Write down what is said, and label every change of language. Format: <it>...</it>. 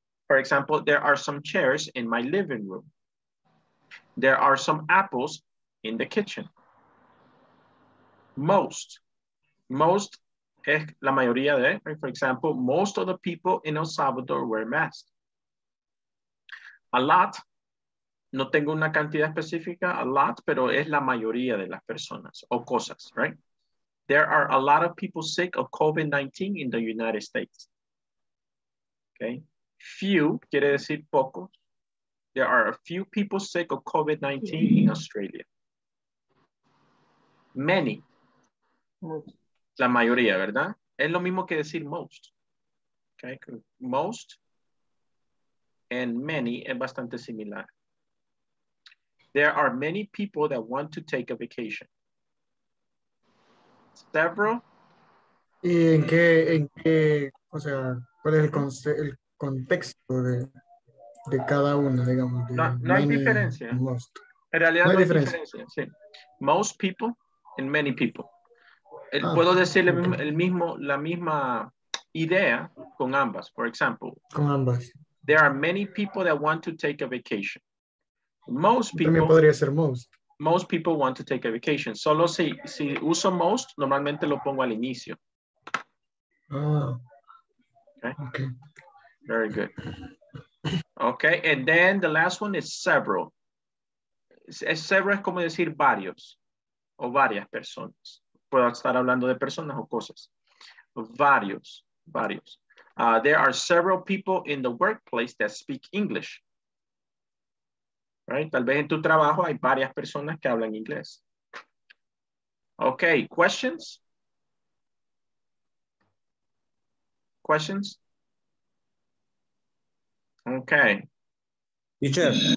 <en>For example, there are some chairs in my living room. There are some apples in the kitchen. Most. Most</en> <es>es la mayoría de,</es> <en>right? For example, most of the people in El Salvador wear masks. A lot.</en> <es>No tengo una cantidad específica, a lot, pero es la mayoría de las personas o cosas, right?</es> <en>There are a lot of people sick of COVID-19 in the United States. Okay. Few</en> <es>quiere decir pocos.</es> <en>There are a few people sick of COVID-19 in Australia.</en> <es>Many. Most. La mayoría, ¿verdad? Es lo mismo que decir most. Okay. Most and many es bastante similar.</es> <en>There are many people that want to take a vacation. Several.</en> <es>¿Y en qué, o sea, cuál es el contexto de cada uno, digamos? De no hay diferencia.</es> <en>Most.</en> <es>En realidad no hay diferencia. Sí.</es> <en>Most people and many people.</en> <es>Puedo decir okay. la misma idea con ambas, por ejemplo. Con ambas.</es> <en>There are many people that want to take a vacation. Most people.</en> <es>También podría ser most.</es> <en>Most people want to take a vacation.</en> <es>Solo si uso most, normalmente lo pongo al inicio.</es> <en>Oh. Okay. Okay. Very good. Okay, and then the last one is several.</en> <es>Several es como decir varios o varias personas. Puedo estar hablando de personas o cosas. Varios.</es> <en>There are several people in the workplace that speak English. Right?</en> <es>Tal vez en tu trabajo hay varias personas que hablan inglés.</es> <en>Okay, questions? Questions? Okay. Teacher.</en>